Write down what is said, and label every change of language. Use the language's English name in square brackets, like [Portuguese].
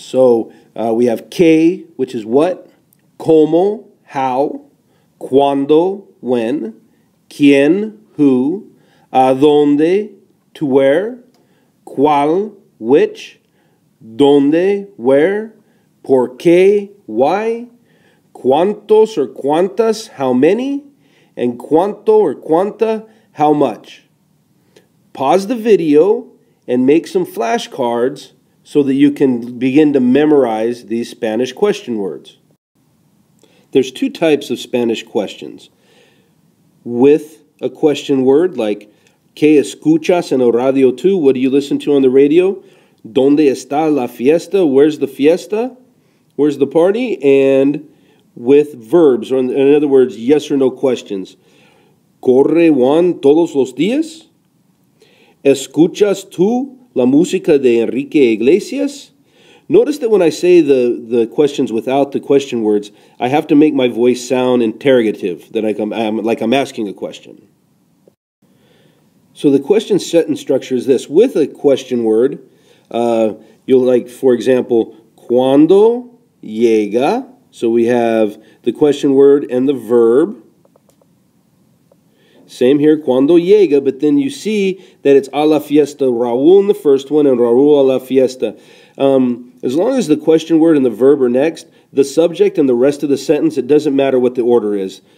[English] So we have que, which is what, cómo, how, cuándo, when, quién, who, dónde, to where, cuál, which, dónde, where, por qué, why, cuántos or cuántas, how many, and cuánto or cuánta, how much. Pause the video and make some flashcards so that you can begin to memorize these Spanish question words. There's two types of Spanish questions. [Spanish] With a question word like, ¿Qué escuchas en el radio tú? [English] What do you listen to on the radio? ¿Dónde está la fiesta? Where's the fiesta? Where's the party? And with verbs, or in other words, yes or no questions. [Spanish] ¿Corre Juan todos los días? ¿Escuchas tú la música de Enrique Iglesias? [English] Notice that when I say the questions without the question words, I have to make my voice sound interrogative, that I'm asking a question. So the question set and structure is this. With a question word, for example, ¿cuándo llega? So we have the question word and the verb. Same here, cuando llega, but then you see that it's a la fiesta, Raúl in the first one, and Raúl a la fiesta. As long as the question word and the verb are next, the subject and the rest of the sentence, it doesn't matter what the order is.